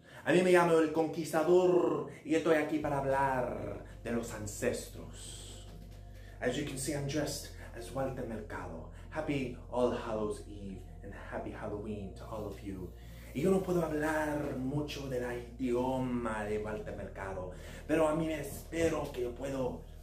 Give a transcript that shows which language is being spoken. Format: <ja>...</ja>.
<es>A mí me llamo El Conquistador y estoy aquí para hablar de los ancestros.</es> <en>As you can see, I'm dressed as Walter Mercado. Happy All Hallows Eve and Happy Halloween to all of you.</en> <es>Y yo no puedo hablar mucho del idioma de Walter Mercado, pero a mí me espero que yo puedo...</es>